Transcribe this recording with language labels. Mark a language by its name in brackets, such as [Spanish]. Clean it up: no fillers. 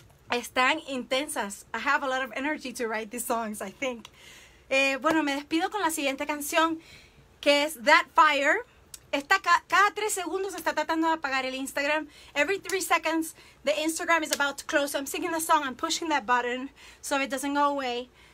[English] I have a lot of energy to write these songs, I think. [Spanish] Bueno, me despido con la siguiente canción, que es That Fire. Está cada 3 segundos está tratando de apagar el Instagram. [English] Every 3 seconds, the Instagram is about to close. So I'm singing the song, I'm pushing that button so it doesn't go away.